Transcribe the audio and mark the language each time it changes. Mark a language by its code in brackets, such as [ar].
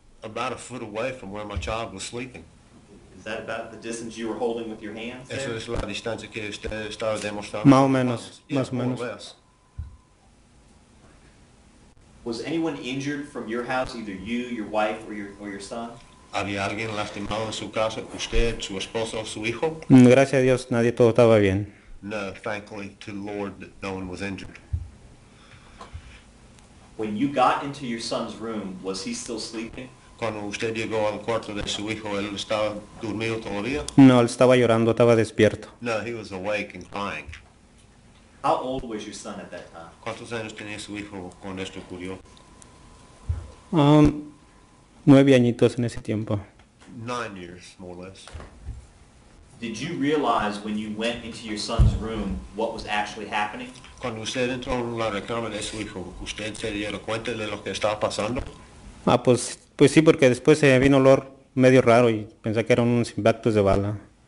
[en] About a foot away from where my child was sleeping. Is that about the distance you were holding with your hands? [es] Eso es la distancia que usted estaba demostrando. Más o menos. Más o menos. [en] Was anyone injured from your house, either you, your wife, or your son? [es] ¿Había alguien lastimado en su casa? ¿Usted, su esposo, su hijo? Gracias a Dios, nadie, todo estaba bien. [en] No, thankfully to the Lord that no one was injured. When you got into your son's room, was he still sleeping? [es] Cuando usted llegó al cuarto de su hijo, ¿él estaba durmiendo todavía? No, él estaba llorando, estaba despierto. [en] No, he was awake and crying. How old was your son at that time? [es] ¿Cuántos años tenía su hijo cuando esto ocurrió? 9 añitos en ese tiempo. [en] 9 years, more or less. Did you realize when you went into your son's room what was actually happening? [es] Cuando usted entró en la recámara de su hijo, ¿usted se dio cuenta de lo que estaba pasando? Ah, pues sí, porque después se vino olor medio raro y pensé que eran unos impactos de bala.